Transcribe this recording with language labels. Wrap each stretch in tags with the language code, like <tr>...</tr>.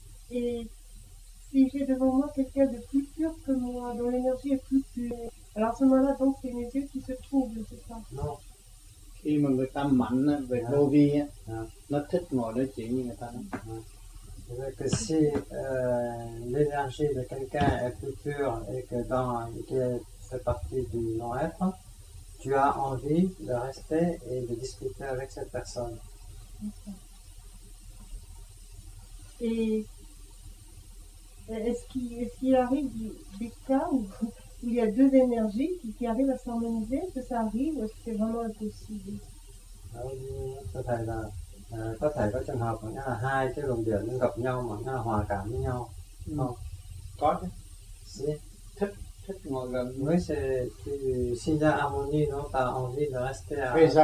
<fr>Si j'ai devant moi quelqu'un de plus pur que moi, dont l'énergie est plus pure, alors à ce moment-là, donc, c'est mes yeux qui se troublent, c'est ça? Non.</fr> <vi>Khi mà người ta mạnh về vô vi, nó thích ngồi nói chuyện với người ta.</vi> <fr>C'est vrai que si l'énergie de quelqu'un est plus pure et que dans, qui fait partie du non-être, tu as envie de rester et de discuter avec cette personne. Est-ce qu'il arrive des cas où il y a deux énergies qui arrivent à s'harmoniser? Est-ce que ça arrive ou est-ce que c'est vraiment impossible? Peut-être que</fr> <vi>trường hợp là hai cái luồng điện nó gặp nhau mà nó hòa cảm với nhau. Không. Có chứ. Thích ngồi gần. Mới sẽ sinh ra harmonie, nó tạo</vi> <fr>envie de rester à.</fr>